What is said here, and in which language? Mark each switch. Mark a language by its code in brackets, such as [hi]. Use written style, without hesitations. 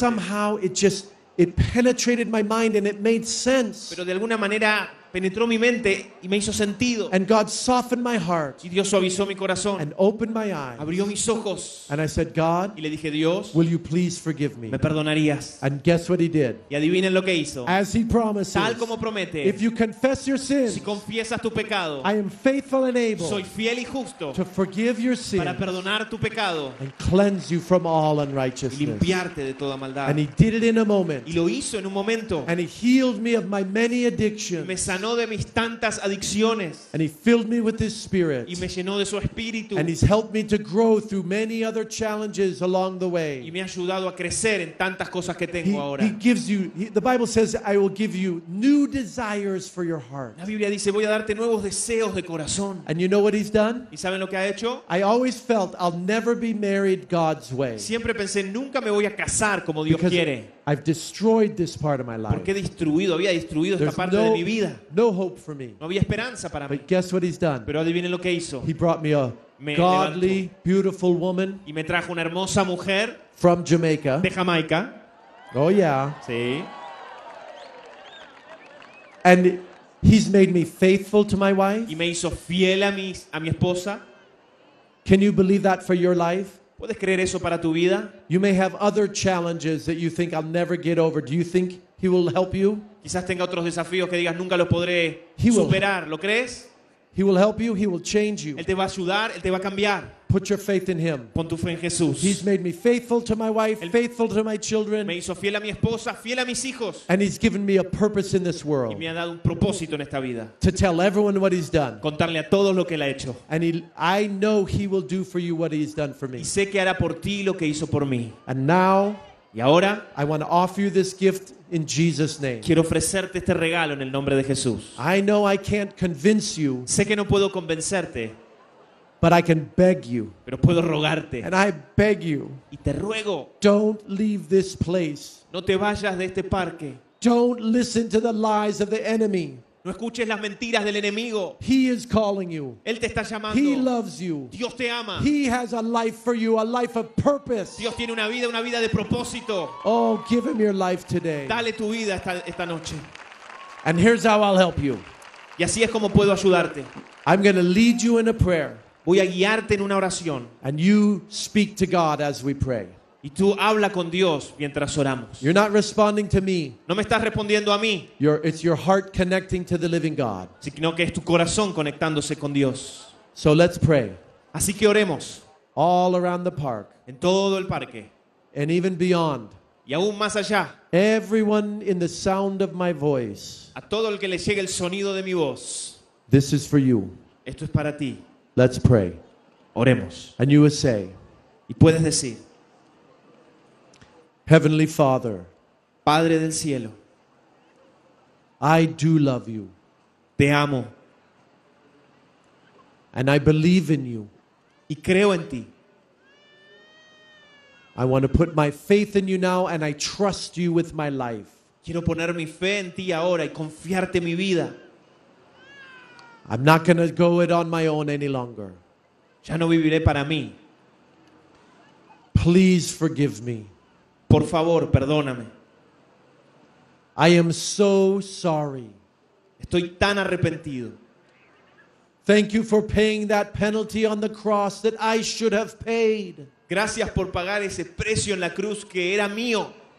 [en] Somehow it penetrated my mind and it made sense. [es] Pero de alguna manera penetró mi mente y me hizo sentido. [en] And God softened my heart. [es] Y Dios suavizó mi corazón. [en] And opened my eyes. [es] Abrió mis ojos. [en] And I said, "God." [es] Y le dije, "Dios." [en] "Will you please forgive me?" [es] ¿Me perdonarías? [en] And guess what he did? [es] Y adivinen lo que hizo. [en] As he promises. [es] Tal como promete. [en] If you confess your sins. [es] Si confiesas tu pecado. [en] I am faithful and able. [es] Soy fiel y justo. [en] To forgive your sins. [es] Para perdonar tu pecado. [en] And cleanse you from all unrighteousness. [es] Y limpiarte de toda maldad. [en] And he did it in a moment. [es] Y lo hizo en un momento. [en] And he healed me of my many addictions. [es] Y me sanó de mis tantas adicciones. [en] And he filled me with his spirit. [es] Y me llenó de su espíritu. [en] And he's helped me to grow through many other challenges along the way. [es] Y me ha ayudado a crecer en tantas cosas que tengo ahora. [en] He gives you, the Bible says, "I will give you new desires for your heart." [es] La Biblia dice, "Voy a darte nuevos deseos de corazón." [en] And you know what he's done? [es] ¿Y saben lo que ha hecho? [en] I always felt I'll never be married God's way. [es] Siempre pensé, nunca me voy a casar como Dios quiere. [en] I've destroyed this part of my life. [es] Porque había destruido [en] There's [es] esta parte de mi vida. [en] No hope for me. [es] No había esperanza para [en] but [es] mí. [en] Guess what he's done? [es] Pero adivinen lo que hizo. [en] He brought me a [es] me [en] godly, [es] levantó. [en] Beautiful woman. [es] Y me trajo una hermosa mujer [en] from Jamaica. [es] De Jamaica. [en] Oh yeah. [es] Sí. [en] And he's made me faithful to my wife. [es] Y me hizo fiel a mi esposa. [en] Can you believe that for your life? [es] ¿Puedes creer eso para tu vida? [en] You may have other challenges that you think I'll never get over. Do you think he will help you? [es] Quizás tenga otros desafíos que digas nunca los podré superar. ¿Lo crees? [en] He will help you. He will change you. [es] Él te va a ayudar. Él te va a cambiar. [en] Put your faith in him. [es] Pon tu fe en Jesús. [en] He's made me faithful to my wife, faithful to my children. [es] Me hizo fiel a mi esposa, fiel a mis hijos. [en] And he's given me a purpose in this world. [es] Y me ha dado un propósito en esta vida. [en] To tell everyone what he's done. [es] Contarle a todos lo que él ha hecho. [en] And I know he will do for you what he's done for me. [es] Y sé que hará por ti lo que hizo por mí. [en] And now, [es] y ahora, [en] I want to offer you this gift in Jesus' name. [es] Quiero ofrecerte este regalo en el nombre de Jesús. [en] I know I can't convince you. [es] Sé que no puedo convencerte. [en] But I can beg you. [es] Pero puedo rogarte. [en] And I beg you. [es] Y te ruego. [en] Don't leave this place. [es] No te vayas de este parque. [en] Don't listen to the lies of the enemy. [es] No escuches las mentiras del enemigo. [en] He is calling you. [es] Él te está llamando. [en] He loves you. [es] Dios te ama. [en] He has a life for you, a life of purpose. [es] Dios tiene una vida de propósito. [en] Oh, give him your life today. [es] Dale tu vida esta noche. [en] And here's how I'll help you. [es] Y así es como puedo ayudarte. [en] I'm going to lead you in a prayer. [es] Voy a guiarte en una oración. [en] And you speak to God as we pray. [es] Y tú habla con Dios mientras oramos. [en] You're not responding to me. [es] No me estás respondiendo a mí. [en] It's your heart connecting to the living God. [es] Sino que es tu corazón conectándose con Dios. [en] So let's pray. [es] Así que oremos. [en] All around the park. [es] En todo el parque. [en] And even beyond. [es] Y aún más allá. [en] Everyone in the sound of my voice. [es] A todo el que le llegue el sonido de mi voz. [en] This is for you. [es] Esto es para ti. [en] Let's pray. [es] Oremos. [en] And you will say. [es] Y puedes decir. [en] Heavenly Father. [es] Padre del cielo. [en] I do love you. [es] Te amo. [en] And I believe in you. [es] Y creo en ti. [en] I want to put my faith in you now and I trust you with my life. [es] Quiero poner mi fe en ti ahora y confiarte mi vida. [en] I'm not going to go it on my own any longer. [es] Ya no viviré para mí. [en] Please forgive me. [es] Por favor, perdóname. [en] I am so sorry. [es] Estoy tan arrepentido. [en] Thank you for paying that penalty on the cross that I should have paid. [es] Gracias por pagar ese precio en la cruz que era mío.